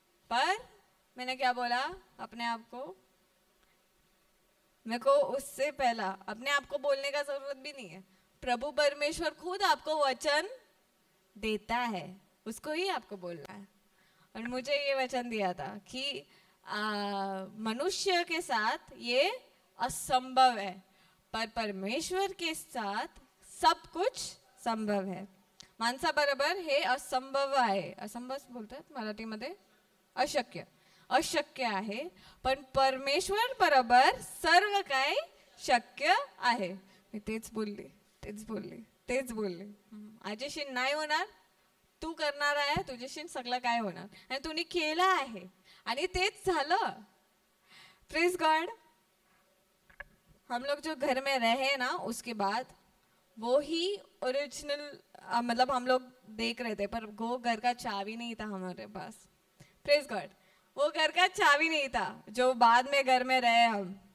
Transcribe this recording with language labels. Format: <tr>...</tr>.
<hi>पर मैंने क्या बोला अपने आप को, मेरे को उससे पहला अपने आप को बोलने का जरूरत भी नहीं है, प्रभु परमेश्वर खुद आपको वचन देता है, उसको ही आपको बोलना है। और मुझे ये वचन दिया था कि मनुष्य के साथ ये असंभव है, पर परमेश्वर के साथ सब कुछ संभव है।</hi> <mr>मानसा बराबर हे असंभव आहे,</mr> <hi>असंभव बोलते हैं</hi> <mr>मराठी मध्ये, अशक्य, अशक्य आहे, पण परमेश्वर बराबर सर्व काय शक्य आहे। मी तेच बोलले, तेच बोलले, तेच बोलले, आजेशी नाही होणार, तू करणार आहे, तुझेशी सगळं काय होणार, आणि तुम्ही केलं आहे आणि तेच झालं।</mr> <en>Praise God.</en> <hi>हम लोग जो घर में रहे ना उसके बाद वो ही ओरिजिनल, मतलब हम लोग देख रहे थे पर वो घर का चाबी नहीं था हमारे पास, प्रेज गॉड, वो घर का चाबी नहीं था जो बाद में घर में रहे हम।</hi>